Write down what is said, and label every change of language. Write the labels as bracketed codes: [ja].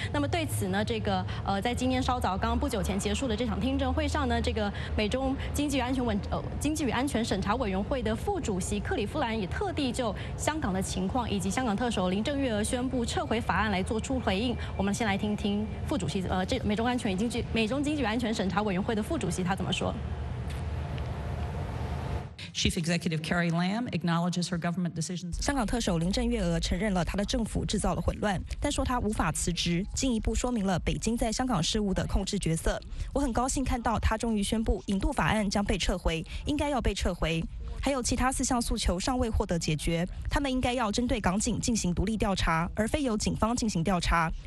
[zh] 那么对此呢，这个在今天稍早刚刚不久前结束的这场听证会上呢，这个美中经济与安全审查委员会的副主席克里夫兰也特地就香港的情况，以及香港特首林郑月娥宣布撤回法案来做出回应。我们先来听听副主席美中经济与安全审查委员会的副主席他怎么说。 [en] Chief Executive Carrie Lam acknowledges her government decisions. [zh] 香港特首林郑月娥承认了她的政府制造了混乱，但说她无法辞职，进一步说明了北京在香港事务的控制角色。我很高兴看到她终于宣布引渡法案将被撤回，应该要被撤回。还有其他四项诉求尚未获得解决，他们应该要针对港警进行独立调查，而非由警方进行调查。